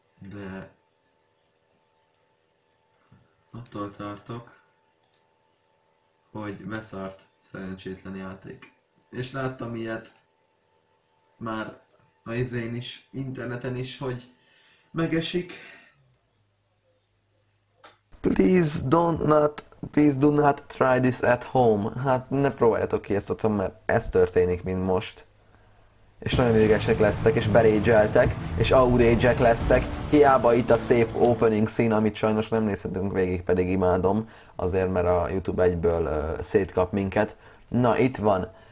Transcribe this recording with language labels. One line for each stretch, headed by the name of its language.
Hungarian: De attól tartok, hogy beszart szerencsétlen játék. És láttam ilyet már a izén is, interneten is, hogy megesik.
English: Please do not try this at home.
Hungarian: Hát ne próbáljátok ki ezt otthon, mert ez történik, mint most. És nagyon idegesek lesztek, és berédzseltek, és aurédzsek lesztek. Hiába itt a szép opening szín, amit sajnos nem nézhetünk végig, pedig imádom. Azért, mert a YouTube egyből szétkap minket. Na, itt van.